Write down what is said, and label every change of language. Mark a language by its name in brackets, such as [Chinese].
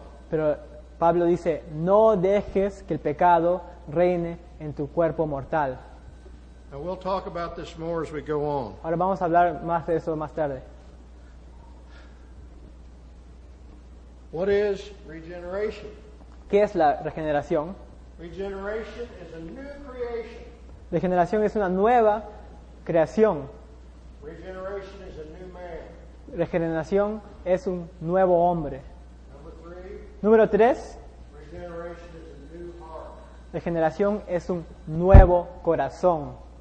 [Spanish] Pero Pablo dice, no dejes que el pecado reine en tu cuerpo mortal. [English] Now we'll talk about this more as we go on. [Spanish] Ahora vamos a hablar más de eso más tarde. [English] What is regeneration? [Spanish] ¿Qué es la regeneración? [English] Regeneration is a new creation. [Spanish] Regeneración es una nueva creación. [English] Regeneration is a new man. [Spanish] Regeneración es un nuevo hombre. Número 3. [English] Regeneration is a new heart. [Spanish] Regeneración es un nuevo corazón.